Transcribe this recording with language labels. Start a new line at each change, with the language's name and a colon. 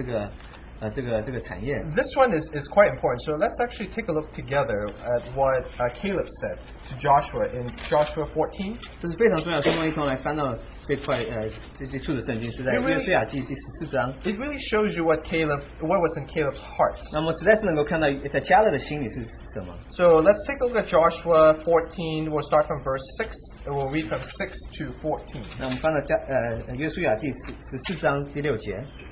Chinese: 那加勒就来到约书亚那边去，就说他就取了一个特别的这个产业。
English: This one is quite important. So let's actually take a look together at what Caleb said to Joshua in Joshua 14.
Chinese: 这是非常重要，所以我们一同来翻到这块这处的圣经，是在约书亚记第十四章。
English: It really shows you what was in Caleb's heart.
Chinese: 那么实在是能够看到在加勒的心里是什么。
English: So let's take a look at Joshua 14. We'll start from verse 6. We'll read from 6 to 14.
Chinese: 那我们翻到约书亚记十四章第六节。